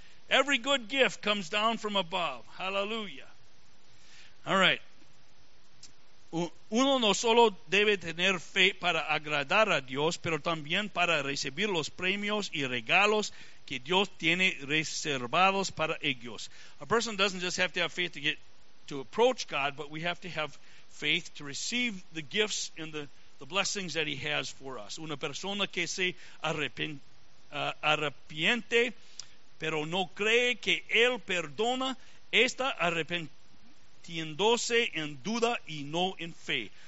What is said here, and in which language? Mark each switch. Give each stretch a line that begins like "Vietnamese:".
English: Every good gift comes down from above. Hallelujah. All right.
Spanish: Uno no solo debe tener fe para agradar a Dios, pero también para recibir los premios y regalos que Dios tiene reservados para ellos.
English: A person doesn't just have to have faith to get to approach God, but we have to have faith to receive the gifts and the blessings that He has for us.
Spanish: Una persona que se arrepiente, pero no cree que Él perdona, está arrepintiéndose en duda y no en fe.